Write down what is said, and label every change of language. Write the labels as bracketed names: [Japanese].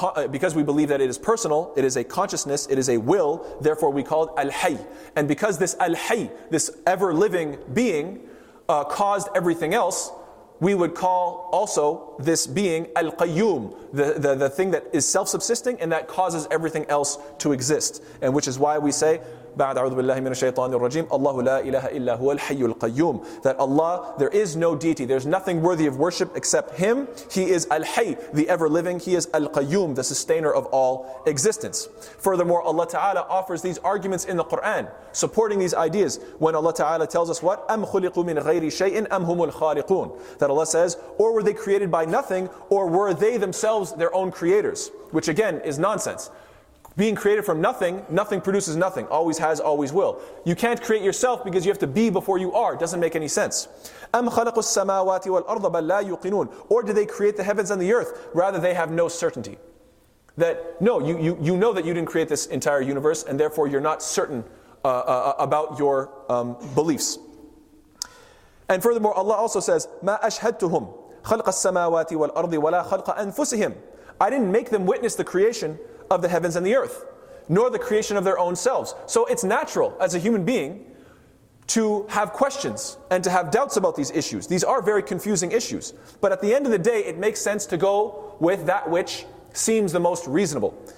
[English] Because we believe that it is personal, it is a consciousness, it is a will, therefore we call it al-hayy. And because this al-hayy, this ever-living being, caused everything else, we would call also this being al-qayyum, the thing that is self-subsisting and that causes everything else to exist. And which is why we say, [Arabic] بعد أعوذ بالله من الشيطان الرجيم الله لا إله إلا هو الحي القيوم. [English] That Allah, there is no deity, there's nothing worthy of worship except Him. He is Al-Hayy, the ever-living. He is Al-Qayyum, the sustainer of all existence. Furthermore, Allah Ta'ala offers these arguments in the Qur'an supporting these ideas when Allah Ta'ala tells us what? [Arabic] أَمْ خُلِقُوا مِنْ غَيْرِ شَيْءٍ أَمْ هُمُ الْخَالِقُونَ. [English] That Allah says, or were they created by nothing, or were they themselves their own creators? Which again is nonsense. Being created from nothing, nothing produces nothing. Always has, always will. You can't create yourself because you have to be before you are. It doesn't make any sense. [Arabic] أَمْ خَلَقُ السَّمَاوَاتِ وَالْأَرْضَ بَلْ لَا يُقِنُونَ. [English] Or do they create the heavens and the earth? Rather, they have no certainty. That, no, you know that you didn't create this entire universe, and therefore you're not certain about your beliefs. And furthermore, Allah also says, [Arabic] مَا أَشْهَدْتُهُمْ خَلْقَ السَّمَاوَاتِ وَالْأَرْضِ وَلَا خَلْقَ أَنفُسِهِمْ. [English] I didn't make them witness the creation of the heavens and the earth, nor the creation of their own selves. So it's natural as a human being to have questions and to have doubts about these issues. These are very confusing issues. But at the end of the day, it makes sense to go with that which seems the most reasonable.